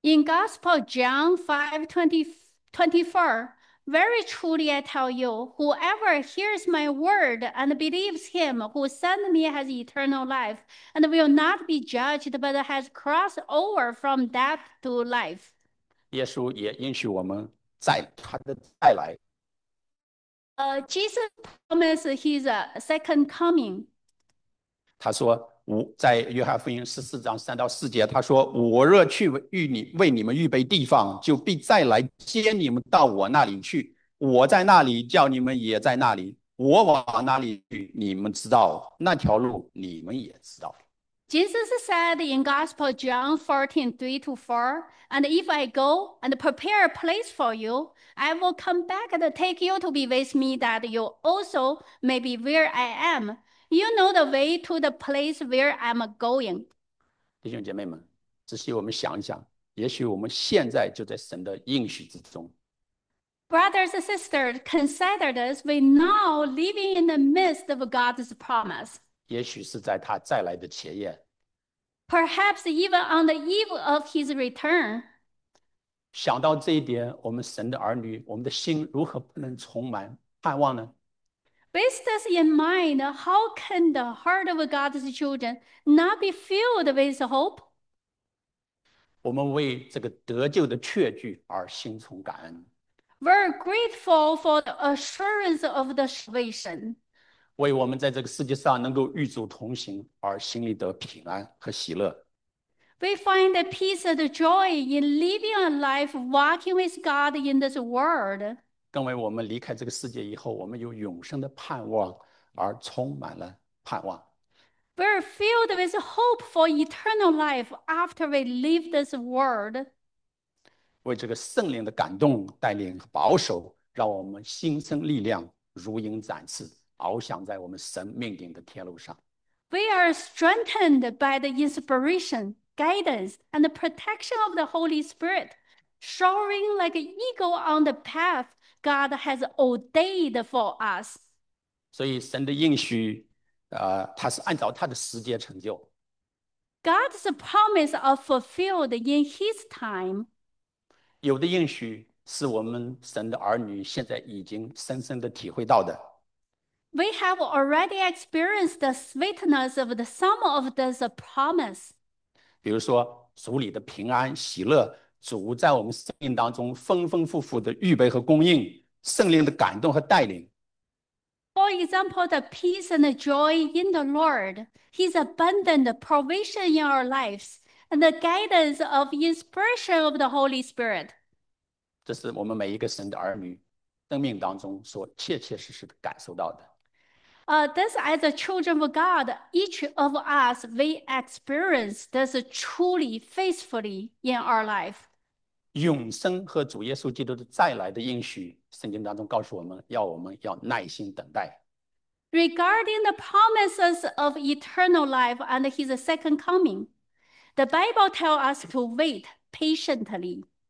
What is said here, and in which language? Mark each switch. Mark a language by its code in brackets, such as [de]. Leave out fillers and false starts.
[en] In Gospel John 5:24, very truly I tell you, whoever hears my word and believes him who sent me has eternal life, and will not be judged, but has crossed over from death to life. [zh] 耶稣也应许我们在他的再来。 [en] Jesus promised his second coming. [zh] 他说，在约翰福音十四章三到四节，他说：“我若去为你们预备地方，就必再来接你们到我那里去。我在那里，叫你们也在那里。我往哪里去，你们知道；那条路，你们也知道。” [en] Jesus said in Gospel John 14:3-4, "And if I go and prepare a place for you, I will come back and take you to be with me, that you also may be where I am. You know the way to the place where I'm going." [zh] 弟兄姐妹们，仔细我们想一想，也许我们现在就在神的应许之中。 [en] Brothers and sisters, consider this: we now living in the midst of God's promise. [zh] 也许是在他再来的前夜。 [en] Perhaps even on the eve of his return. [zh] 想到这一点，我们神的儿女，我们的心如何不能充满盼望呢？ [en] With this in mind, how can the heart of God's children not be filled with hope? [zh] 我们为这个得救的确据而心存感恩， [en] We're grateful for the assurance of the salvation. [zh] 为我们在这个世界上能够与主同行而心里得平安和喜乐。 [en] We find the peace and the joy in living a life walking with God in this world. [zh] 更为我们离开这个世界以后，我们有永生的盼望而充满了盼望。 [en] We're filled with hope for eternal life after we leave this world. [zh] 为这个圣灵的感动、带领和保守，让我们心生力量，如鹰展翅，翱翔在我们神命定的天路上。 [en] We are strengthened by the inspiration, guidance, and the protection of the Holy Spirit, soaring like an eagle on the path God has ordained for us. [zh] 所以，神的应许，它是按照它的时间成就。 [en] God's promise are fulfilled in His time. [zh] 有的应许是我们神的儿女现在已经深深的体会到的。 [en] We have already experienced the sweetness of the some of this promise. [zh] 比如说，主里的平安、喜乐，主在我们生命当中丰丰富富的预备和供应，圣灵的感动和带领。 [en] For example, the peace and the joy in the Lord, His abundant provision in our lives, and the guidance of inspiration of the Holy Spirit. [zh] 这是我们每一个神的儿女生命当中所切切实实的感受到的。 [en] This as the children of God, each of us, we experience this truly, faithfully in our life. [zh] 永生和主耶稣基督的再来的应许，圣经当中告诉我们，要我们要耐心等待。 [en] Regarding the promises of eternal life and His second coming, the Bible tells us to wait patiently.